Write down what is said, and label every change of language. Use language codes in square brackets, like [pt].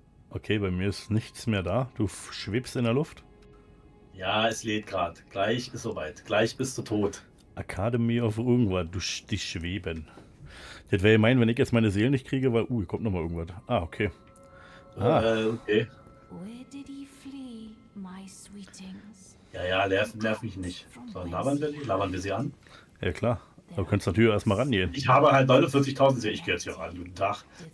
[de] Okay, bei mir ist nichts mehr da. Du schwebst in der Luft? Ja, es lädt gerade. Gleich ist soweit. Gleich bist du tot. Academy of irgendwas. Die schweben. Das wäre gemein, wenn ich jetzt meine Seele nicht kriege, weil... hier kommt nochmal irgendwas. Ah, okay. Okay. [en] Where did he flee, my sweetings? [de] Ja, nerv mich nicht. So, labern wir sie an? Ja, klar. Du könntest natürlich erstmal rangehen. Ich habe halt 49.000, sehe ich jetzt hier an. Guten Tag.